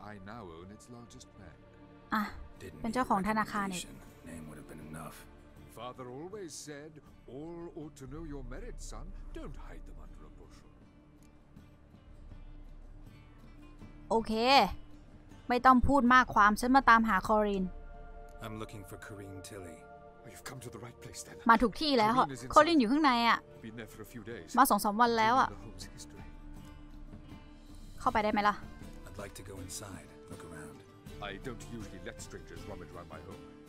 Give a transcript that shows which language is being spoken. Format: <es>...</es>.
<en>I now own its largest bank.</en> <th>เป็นเจ้าของธนาคารเนี่ย</th> <en>Name would have been enough. Father always said, "All ought to know your merit, son. Don't hide them under a bushel."</en> <th>โอเคไม่ต้องพูดมากความฉันมาตามหาคอรีน</th> <en>I'm looking for Corinne Tilly. You've come to the right place, then.</en> <th>มาถูกที่แล้วค่ะโคลินอยู่ข้างในอ่ะมา 2-3 วันแล้วอ่ะเข้าไปได้ไหมล่ะ</th> <en>I'd like to go inside, look around. I don't usually let strangers rummage around my home.</en>